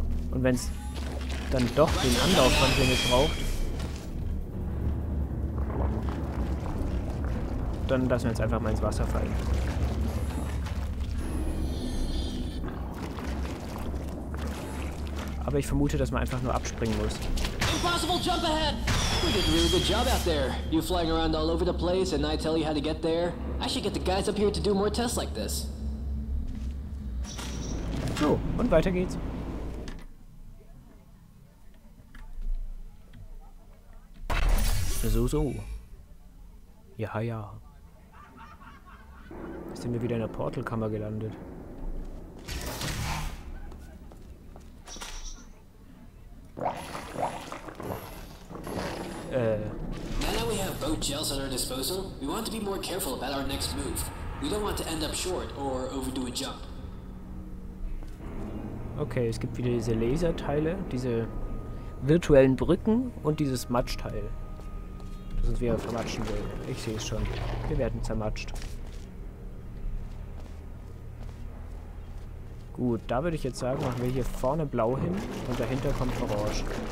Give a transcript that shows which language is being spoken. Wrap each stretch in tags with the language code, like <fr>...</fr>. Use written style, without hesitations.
<de>Und wenn es dann doch den Anlauf, den ihr braucht. Dann lassen wir jetzt einfach mal ins Wasser fallen. Aber ich vermute, dass man einfach nur abspringen muss.</de> <en>Impossible jump ahead. We did a really good job out there. You flying around all over the place and I tell you how to get there. I should get the guys up here to do more tests like this.</en> <de>So, und weiter geht's. So, so. Ja, ja. Jetzt sind wir wieder in der Portalkammer gelandet.</de> <en>Now that we have boat gels at our disposal, we want to be more careful about our next move. We don't want to end up short or overdo a jump.</en> <de>Okay, es gibt wieder diese Laserteile, diese virtuellen Brücken und dieses Matschteil. Und wir vermatschen will. Ich sehe es schon. Wir werden zermatscht. Gut, da würde ich jetzt sagen, machen wir hier vorne blau hin und dahinter kommt orange.</de>